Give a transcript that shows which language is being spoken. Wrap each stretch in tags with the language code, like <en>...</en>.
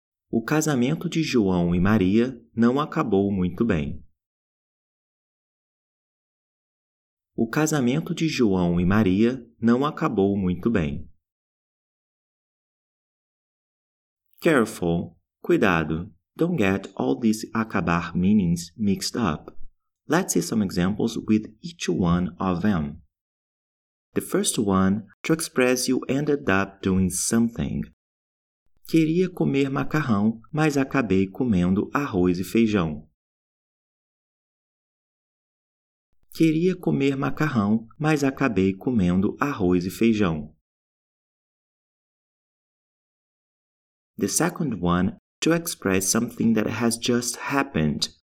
<pt>O casamento de João e Maria não acabou muito bem. O casamento de João e Maria não acabou muito bem.</pt> <en>Careful, cuidado. Don't get all these acabar meanings mixed up. Let's see some examples with each one of them. The first one, to express you ended up doing something.</en> <pt>Queria comer macarrão, mas acabei comendo arroz e feijão. Queria comer macarrão, mas acabei comendo arroz e feijão.</pt> <en>The second one, to express something that has just happened.</en>